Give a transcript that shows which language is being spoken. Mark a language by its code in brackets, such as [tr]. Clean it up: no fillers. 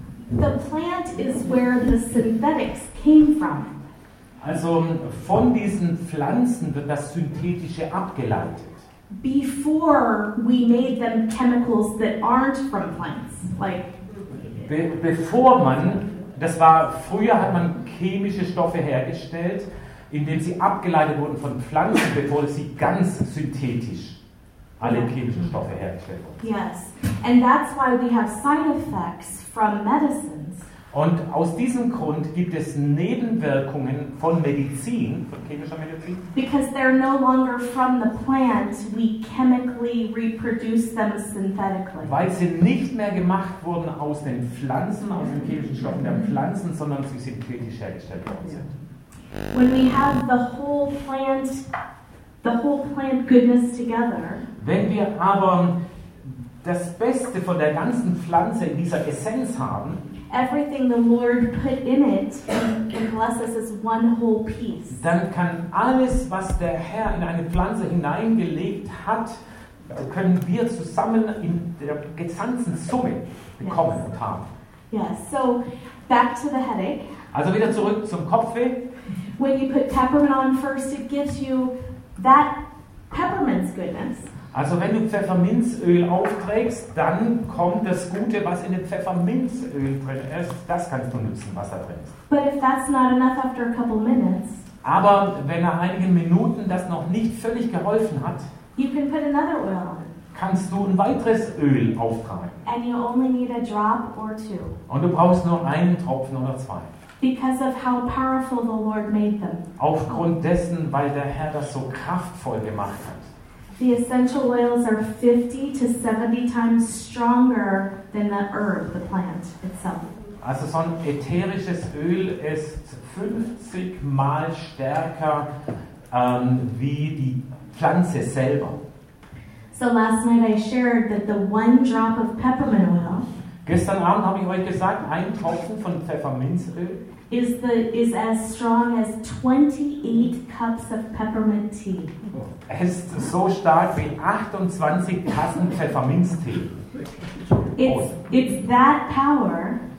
[en] The plant is where the synthetics came from. [de] Also von diesen Pflanzen wird das Synthetische abgeleitet. [en] before we made them chemicals that aren't from plants, like. [de] Bevor man, das war früher, hat man chemische Stoffe hergestellt, indem sie abgeleitet wurden von Pflanzen, bevor sie ganz synthetisch alle chemischen Stoffe hergestellt wurden. [en] Yes, and that's why we have side effects from medicines. [de] Und aus diesem Grund gibt es Nebenwirkungen von Medizin, von chemischer Medizin. [en] Because they're no longer from the plant, we chemically reproduce them synthetically. [de] Weil sie nicht mehr gemacht wurden aus den Pflanzen, aus den chemischen Stoffen der Pflanzen, sondern sie synthetisch hergestellt worden sind. [en] When we have the whole plant goodness together. [de] Wenn wir aber das Beste von der ganzen Pflanze in dieser Essenz haben. [en] Everything the Lord put in it and bless us as one whole piece. [de] Dann kann alles, was der Herr in eine Pflanze hineingelegt hat, können wir zusammen in der gesamten Summe bekommen und haben. [en] Yes. So back to the headache. [de] Also wieder zurück zum Kopfweh. [en] When you put peppermint on first, it gives you that peppermint's goodness. [de] Also wenn du Pfefferminzöl aufträgst, dann kommt das Gute, was in dem Pfefferminzöl drin ist. Das kannst du nutzen, was da drin ist. [en] But if that's not enough after a couple minutes, [de] aber wenn nach einigen Minuten das noch nicht völlig geholfen hat, [en] you can put another oil on. [de] Kannst du ein weiteres Öl auftragen. [en] And you only need a drop or two. [de] Und du brauchst nur einen Tropfen oder zwei. [en] Because of how powerful the Lord made them. [de] Aufgrund dessen, weil der Herr das so kraftvoll gemacht hat. [en] The essential oils are 50 to 70 times stronger than the herb, the plant itself. [de] Also so ein ätherisches Öl ist 50 mal stärker wie die Pflanze selber. [en] So last night I shared that the one drop of peppermint oil. [de] Gestern Abend habe ich euch gesagt, ein Tropfen von Pfefferminzöl [en] is as strong as 28 cups of peppermint tea. [de] Ist so stark wie 28 Tassen Pfefferminztee. [en] It's that power.